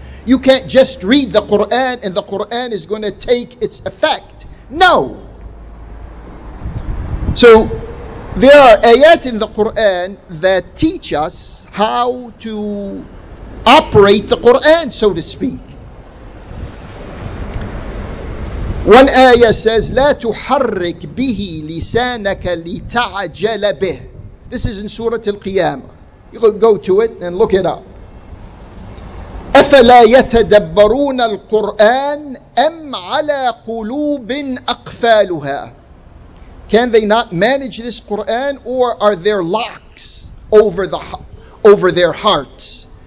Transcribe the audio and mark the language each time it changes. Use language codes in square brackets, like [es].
[en] You can't just read the Quran and the Quran is going to take its effect. No. So there are ayat in the Quran that teach us how to operate the Quran, so to speak. One ayah says, [ar] لا تحرك به لسانك لتعجل به. [en] This is in Surah Al-Qiyamah. You can go to it and look it up. [ar] أَفَلَا يَتَدَبَّرُونَ الْقُرْآنَ أَمْ عَلَى قُلُوبٍ أَقْفَالُهَا. [en] Can they not manage this Quran, or are there locks over their hearts?